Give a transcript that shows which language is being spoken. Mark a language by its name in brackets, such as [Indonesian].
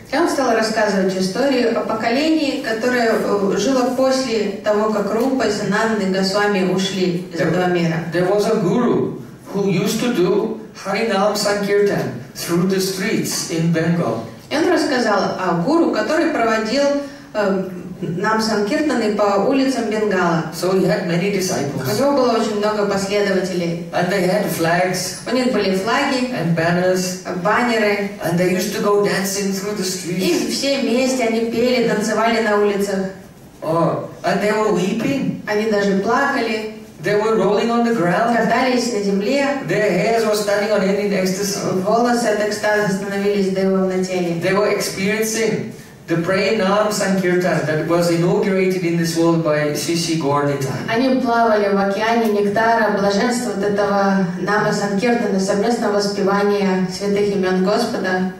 [Russian] И он стал рассказывать историю о поколении, которое жило после того, как Рупа, Сананда и Госвами ушли из этого мира. [English] There was a guru who used to do Harinam Sankirtan through the streets in Bengal. [Russian] И он рассказал о гуру, который проводил нам Санкиртаны по улицам Бенгала. [English] So he had many disciples. [Russian] У него было очень много последователей. [English] And they had flags. [Russian] У них были флаги. [English] And banners. [Russian] Баннеры. [English] And they used to go dancing through the streets. [Russian] И все вместе они пели, танцевали на улицах. [English] Oh, and they were weeping. [Russian] Они даже плакали. [English] They were rolling on the ground. [Russian] Катались на земле. [English] Their hairs were standing on end in ecstasy. [Russian] Волосы от экстаза становились дыбом на теле. [English] They were experiencing the Prem Prayojan Sankirtan that was inaugurated in this world by Sisi Gornita. [Russian] Они плавали в океане нектара, блаженства от этого Нама Санкиртана, совместного воспевания святых имен Господа.